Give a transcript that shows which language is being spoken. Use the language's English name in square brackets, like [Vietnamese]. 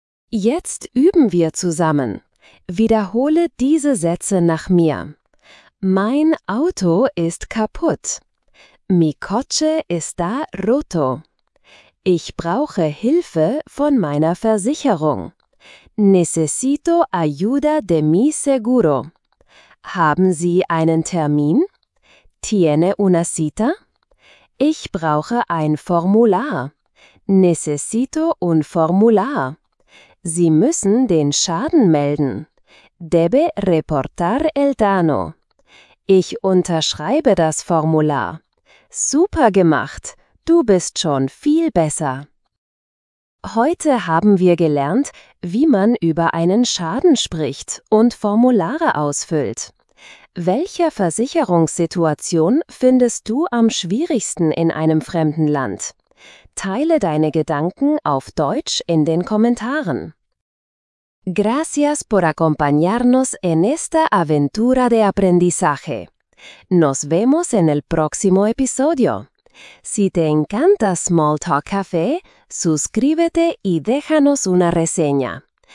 [German] Jetzt üben wir zusammen. Wiederhole diese Sätze nach mir. Mein Auto ist kaputt. [Spanish] Mi coche está roto. [German] Ich brauche Hilfe von meiner Versicherung. [Spanish] Necesito ayuda de mi seguro. [German] Haben Sie einen Termin? [Spanish] Tiene una cita? [German] Ich brauche ein Formular. [Spanish] Necesito un formular. [German] Sie müssen den Schaden melden. [Spanish] Debe reportar el dano. [German] Ich unterschreibe das Formular. Super gemacht! Du bist schon viel besser. Heute haben wir gelernt, wie man über einen Schaden spricht und Formulare ausfüllt. Welcher Versicherungssituation findest du am schwierigsten in einem fremden Land? Teile deine Gedanken auf Deutsch in den Kommentaren. [Spanish] Gracias por acompañarnos en esta aventura de aprendizaje. Nos vemos en el próximo episodio. Si te encanta Small Talk Café, suscríbete y déjanos una reseña.